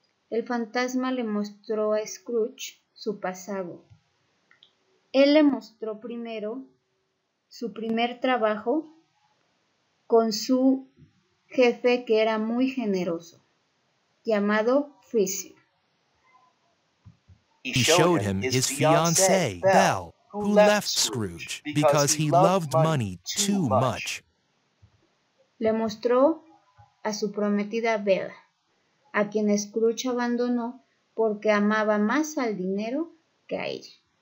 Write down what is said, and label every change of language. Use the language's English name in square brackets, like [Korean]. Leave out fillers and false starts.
[Spanish] El fantasma le mostró a Scrooge su pasado. Él le mostró primero su primer trabajo con su jefe que era muy generoso, llamado Frisbee. [English] He showed him his fiancée, Belle, who left Scrooge because he loved money too much. [Spanish] Le mostró a su prometida Bella, a quien Scrooge abandonó porque amaba más al dinero que a ella.